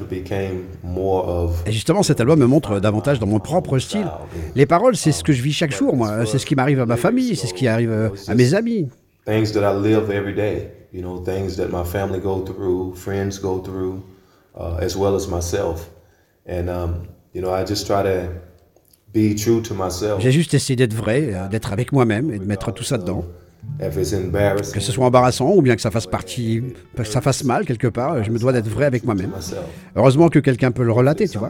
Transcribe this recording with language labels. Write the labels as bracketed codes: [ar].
[fr] Et justement, cet album me montre davantage dans mon propre style. Les paroles, c'est ce que je vis chaque jour, moi. C'est ce qui m'arrive à ma famille, c'est ce qui arrive à mes amis. [en] Things that I live every day, you know, things that my family go through, friends go through, as well as myself. And, you know, I just try to be true to myself. [fr] J'ai juste essayé d'être vrai, d'être avec moi-même et de mettre tout ça dedans. [en] If it's embarrassing, [fr] que ce soit embarrassant ou bien que ça fasse partie, que ça fasse mal quelque part, je me dois d'être vrai avec moi-même. Heureusement que quelqu'un peut le relater, tu vois.